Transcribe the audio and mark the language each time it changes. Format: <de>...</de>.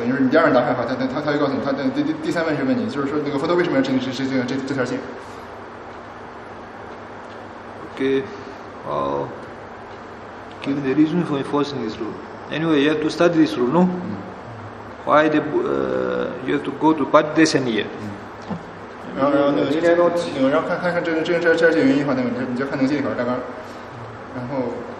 <zh>你说你第二问答错的话，他就告诉你，他第三问就问你，就是说那个佛陀为什么要制定这条戒</zh> <en>？Okay, give the reason for enforcing this rule. Anyway, you have to study this rule, no? Why the you have to go to Patidesaniya?</en> <zh>然后看这条戒原因的话，你就看那个戒条大纲，然后。</zh>